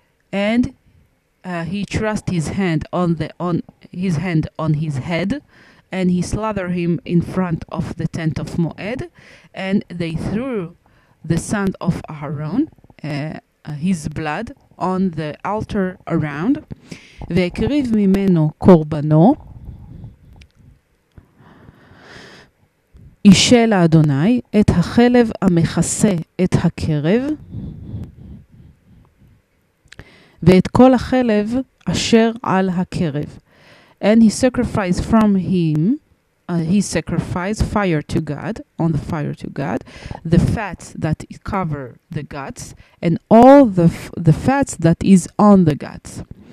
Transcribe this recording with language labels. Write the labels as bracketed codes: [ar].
[en] And he thrust his hand on his head, and he slathered him in front of the tent of Moed, and they threw the son of Aaron, his blood, on the altar around. [he] והקריב ממנו קורבנו, ישל אדוני את החלב המכסה את הקרב ואת כל החלב אשר על הקרב. [en] And he sacrificed from him, he sacrificed fire to God, on the fire to God, the fats that cover the guts, and all the fats that is on the guts.